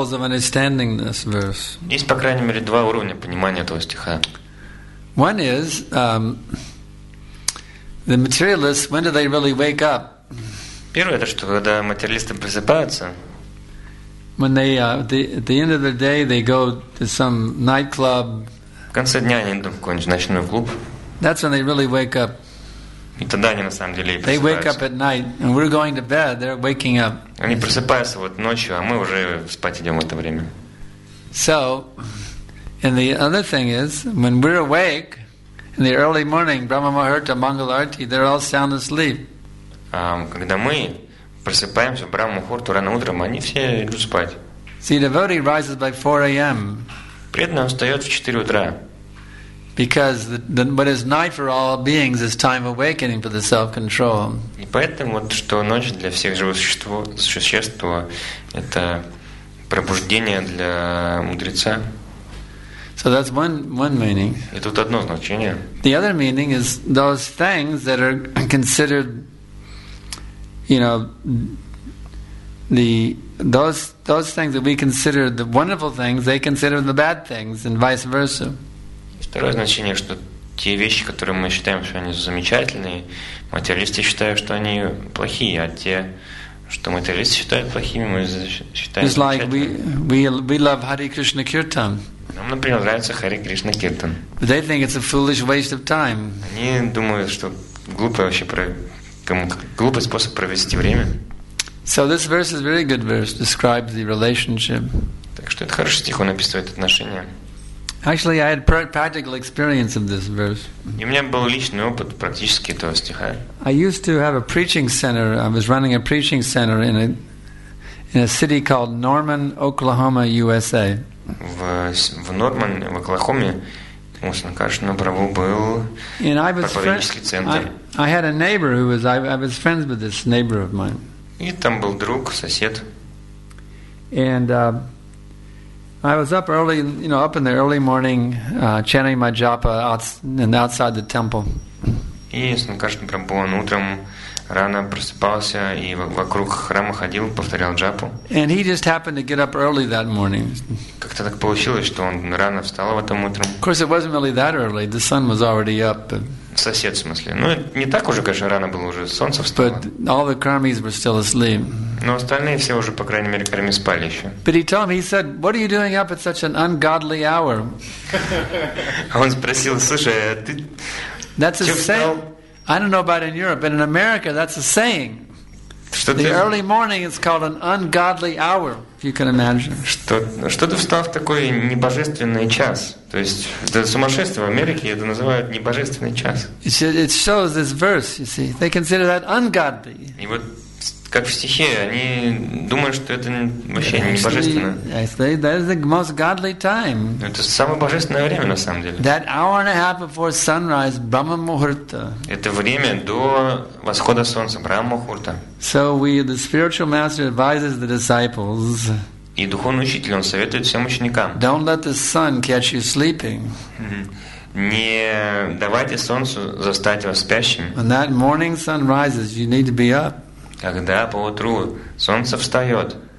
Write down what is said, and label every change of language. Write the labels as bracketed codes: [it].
[ru] Есть, по крайней мере, два уровня понимания этого стиха. [en] One is the materialists, when do they really wake up? [ru] Первое, это что, когда материалисты просыпаются. [en] When they at the end of the day they go to some nightclub. [ru] В конце дня они идут в какой-нибудь ночной клуб. [en] That's when they really wake up. [ru] И тогда они на самом деле и просыпаются. [en] They wake up at night, and we're going to bed. They're waking up. [ru] Они просыпаются вот ночью, а мы уже спать идем в это время. [en] So, and the other thing is, when we're awake in the early morning, Brahma Muhurta, Mangala Arati, they're all sound asleep. [ru] Когда мы просыпаемся в Брахма Мухурту рано утром, они все идут спать. [en] See, devotee rises by 4 a.m. [ru] Преданный встает в 4 утра. [en] Because what is night for all beings is time awakening for the self-control. [ru] И поэтому вот что ночь для всех живых существ это пробуждение для мудреца. [en] So that's one meaning. [ru] И тут одно значение. [en] The other meaning is those things that are considered, you know, those things that we consider the wonderful things, they consider the bad things, and vice versa. [ru] Второе значение, что те вещи, которые мы считаем, что они замечательные, материалисты считают, что они плохие, а те, что материалисты считают плохими, мы считаем [en] It's like we love Hare Krishna Kirtan. [ru] Нам, например, нравится Hare Krishna Kirtan. [en] But they think it's a foolish waste of time. [ru] Они думают, что глупый способ провести время. [en] So this verse is a very good verse, describes the relationship. [ru] Так что это хороший стих, он описывает отношения. [en] Actually, I had practical experience of this verse. [ru] У меня был личный опыт практически этого стиха. [en] I used to have a preaching center. I was running a preaching center in a city called Norman, Oklahoma, USA. [ru] В Норман, в Оклахоме, на Браву был проповеднический центр. [en] I had a neighbor who was I was friends with this neighbor of mine. [ru] И там был друг, сосед. [en] And I was up early, you know, up in the early morning, chanting my japa outside the temple. [ru] И Санкаршна Прабхупада утром рано просыпался и вокруг храма ходил, повторял джапу. [en] And he just happened to get up early that morning. [ru] Как-то так получилось, что он рано встал в этом утром. [en] Of course, it wasn't really that early. The sun was already up. [ru] Сосед, в смысле. Ну, не так уже, конечно, рано было, уже солнце встало. But all the karmis were still asleep. Но остальные все уже, по крайней мере, карми спали еще. [en] But he told me, he said, what are you doing up at such an ungodly hour? [ru] Он спросил, слушай, а ты... [en] That's a saying. I don't know about in Europe, but in America, that's a saying. [ru] Что [en] the early morning is called an ungodly hour, if you can imagine. [ru] Что ты встал в такой небожественный час? То есть это сумасшествие в Америке, это называют небожественный час. [en] It shows this verse. You see, they consider that ungodly. [ru] И вот как в стихе, они думают, что это вообще не божественное. [en] That is the most godly time. [ru] Это самое божественное время на самом деле. [en] That hour and a half before sunrise, Brahma Muhurta. [ru] Это время до восхода солнца, Брахма Мухурта. [en] So we, the spiritual master advises the disciples. [ru] И духовный учитель, он советует всем ученикам. [en] Don't let the sun catch you sleeping. [ru] Не давайте солнцу застать вас спящим. [en] When that morning sun rises, you need to be up. [ru] Когда поутру солнце встает.